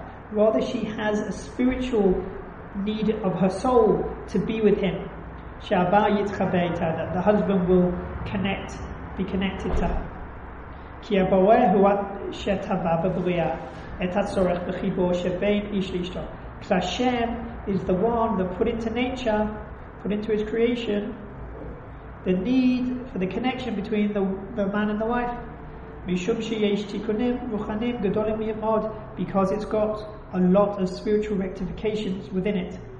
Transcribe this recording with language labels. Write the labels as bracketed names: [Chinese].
[English] Rather, she has a spiritual need of her soul to be with him. That the husband will be connected to her. [Hebrew] כי הבורא הוא שטבע בבריאה את הצורך בחיבור שבין איש לאשתו. [English] כשהשם is the one that put into his creation the need for the connection between the man and the wife. [Hebrew] משום שיש תיקונים רוחניים גדולים מאוד, [English] because it's got a lot of spiritual rectifications within it.